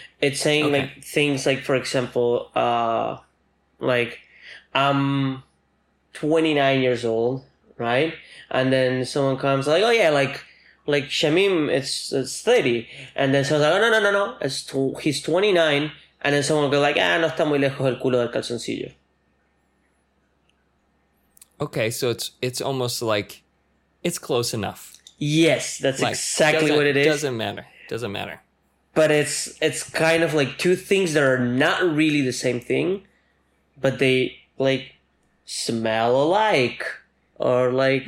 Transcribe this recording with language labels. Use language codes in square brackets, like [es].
[en] It's saying like things like, for example, like I'm 29 years old, right? And then someone comes like, oh yeah, like Shamim, it's 30. And then someone's like, oh no, he's 29. And then someone will be like, ah, [es] no está muy lejos el culo del calzoncillo. [en] Okay, so it's almost like, it's close enough. Yes, that's like, exactly what it is. Doesn't matter. But it's kind of like two things that are not really the same thing, but they like smell alike, or like